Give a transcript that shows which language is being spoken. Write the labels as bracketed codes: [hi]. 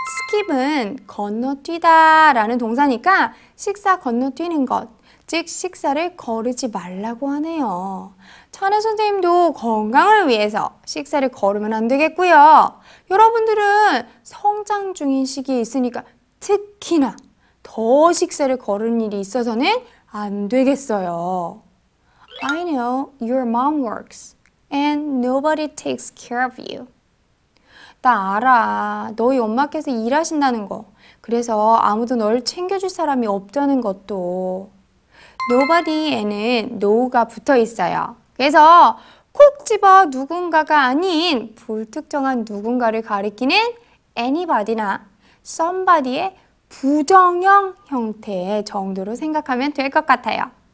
[ko] Skip은 건너뛰다 라는 동사니까 식사 건너뛰는 것, 즉 식사를 거르지 말라고 하네요. 자네 선생님도 건강을 위해서 식사를 거르면 안 되겠고요. 여러분들은 성장 중인 시기에 있으니까 특히나 더 식사를 거르는 일이 있어서는 안 되겠어요. [en] I know your mom works and nobody takes care of you. [ko] 나 알아. 너희 엄마께서 일하신다는 거. 그래서 아무도 널 챙겨줄 사람이 없다는 것도. Nobody에는 no가 붙어 있어요. 그래서 콕 집어 누군가가 아닌 불특정한 누군가를 가리키는 anybody나 somebody의 부정형 형태의 정도로 생각하면 될 것 같아요.